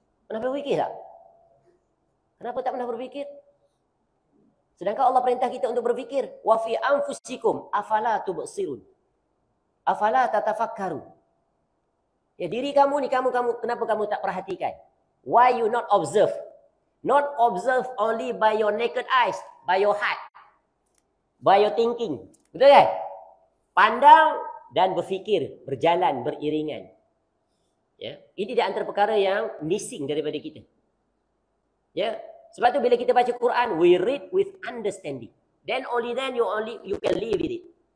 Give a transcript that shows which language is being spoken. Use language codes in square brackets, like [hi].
[ms] Pernah berfikir tak? Kenapa tak pernah berfikir? Sedangkan Allah perintah kita untuk berfikir. [ar] Wa fi anfusikum afala tubsirun. Afala tatafakkaru. [ms] Ya, diri kamu ni, kamu kenapa kamu tak perhatikan? [en] Why you not observe? Not observe only by your naked eyes, by your heart, by your thinking. [ms] Betul kan? Pandang dan berfikir, berjalan beriringan. Ya, ini di antara perkara yang missing daripada kita. Ya. Sebab tu bila kita baca Quran, [en] we read with understanding. Then only then you can live with it.